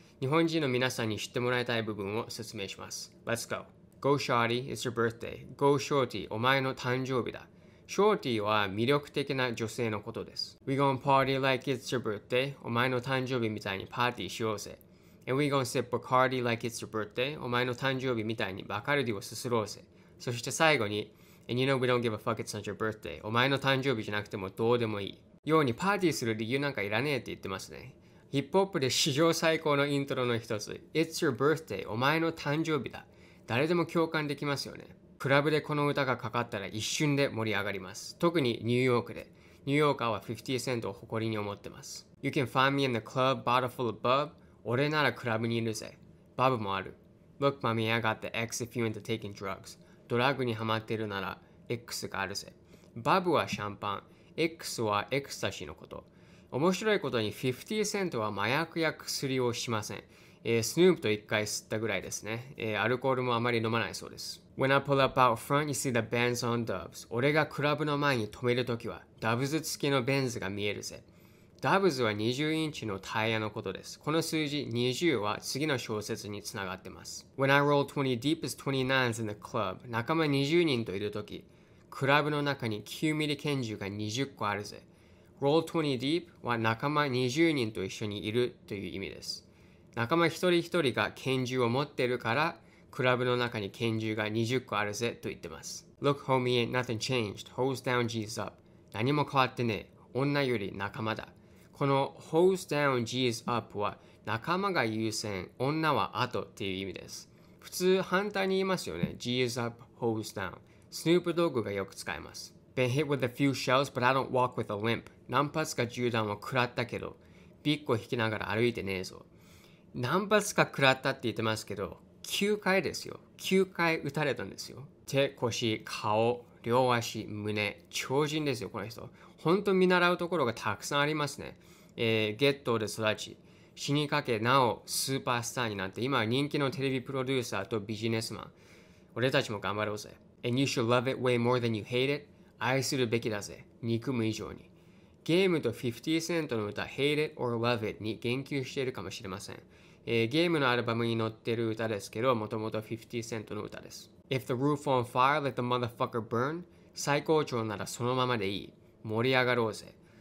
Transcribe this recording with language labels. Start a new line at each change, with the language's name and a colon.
Japanese: 日本人の皆さんに知ってもらいたい部分を説明します。
English: Let's goGo shorty, it's your birthday. Go shorty,
Japanese: お前の誕生日だ。 Shorty は魅力的な女性のことです。
English: We gon' party like it's your birthday.
Japanese: お前の誕生日みたいにパーティーしようぜ。
English: And we gon' sip Bacardi like it's your birthday.
Japanese: お前の誕生日みたいにバカルディをすすろうぜ。そして最後に、
English: And you know we don't give a fuck it's not your birthday.
Japanese: お前の誕生日じゃなくてもどうでもいい。ようにパーティーする理由なんかいらねえって言ってますね。ヒップホップで史上最高のイントロの一つ。
English: It's your birthday.
Japanese: お前の誕生日だ。誰でも共感できますよね。クラブでこの歌がかかったら一瞬で盛り上がります。特にニューヨークで。ニューヨーカーは50セントを誇りに思ってます。
English: You can find me in the club, bottle full of bub.
Japanese: 俺ならクラブにいるぜ。バブもある。
English: Look, mommy, I got the X if you into taking drugs.
Japanese: ドラッグにハマってるなら X があるぜ。バブはシャンパン。 X はエクスタシーのこと。面白いことに50セントは麻薬や薬をしません。スヌープと一回吸ったぐらいですね。アルコールもあまり飲まないそうです。
English: When I pull up out front, you see the Benz on Dubs.
Japanese: 俺がクラブの前に止めるときは、ダブズ付きのベンズが見えるぜ。ダブズは20インチのタイヤのことです。この数字20は次の小説につながってます。
English: When I roll 20 deep is 29s in the club.
Japanese: 仲間20人といるとき、クラブの中に9ミリ拳銃が20個あるぜ。 Roll 20 deep は仲間20人と一緒にいるという意味です。仲間一人一人が拳銃を持ってるから、クラブの中に拳銃が20個あるぜと言ってます。
English: Look, homie, ain't nothing changed. Hose down, G's up.
Japanese: 何も変わってねえ。女より仲間だ。この
English: Hose down, G's up
Japanese: は仲間が優先、女は後っていう意味です。普通反対に言いますよね。
English: G's up, hose down. Snoop Dogg
Japanese: がよく使います。
English: Been hit with a few shells, but I don't walk with a limp.
Japanese: 何発か銃弾を食らったけど、ビッグを引きながら歩いてねえぞ。何発か食らったって言ってますけど、9回ですよ。 9回撃たれたんですよ。手、腰、顔、両足、胸、超人ですよ、この人。本当見習うところがたくさんありますね。ゲットで育ち、死にかけ、なおスーパースターになって、今は人気のテレビプロデューサーとビジネスマン。俺たちも頑張ろうぜ。
English: And you should love it way more than you hate it.
Japanese: 愛するべきだぜ、憎む以上に。ゲームと50セントの歌 Hate It or Love It に言及しているかもしれません。ゲームのアルバムに載っている歌ですけど、もともと50セントの歌です。
English: If the roof on fire, let the motherfucker burn.
Japanese: 最高潮ならそのままでいい。盛り上がろうぜ。